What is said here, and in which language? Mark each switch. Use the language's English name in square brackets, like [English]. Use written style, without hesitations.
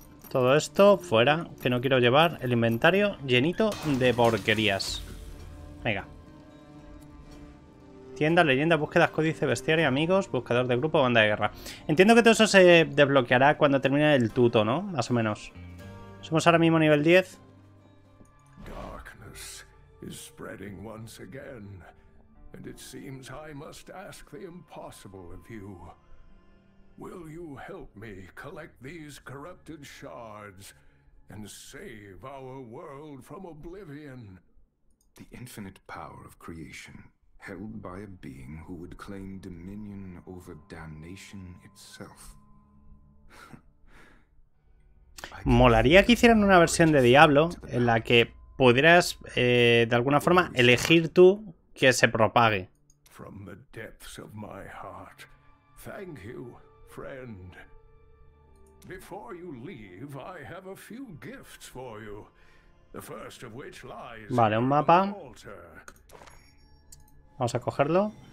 [Spanish] Todo esto fuera, que no quiero llevar el inventario llenito de porquerías. Venga. Tienda, leyenda, búsquedas, códice, bestiario, amigos, buscador de grupo, banda de guerra. Entiendo que todo eso se desbloqueará cuando termine el tuto, ¿no? Más o menos. Somos ahora mismo nivel 10. [English] Darkness is spreading once again, and it seems I must ask the impossible of you. Will you help me collect these corrupted shards and save our world from oblivion? The infinite power of creation, held by a being who would claim dominion over damnation itself. [Spanish] Molaría que hicieran una versión de Diablo en la que pudieras, de alguna forma, elegir tú que se propague. [English] From the depths of my heart, thank you. Friend, before you leave, I have a few gifts for you. The first of which lies on the altar. [Spanish] Vale, un mapa. Vamos a cogerlo.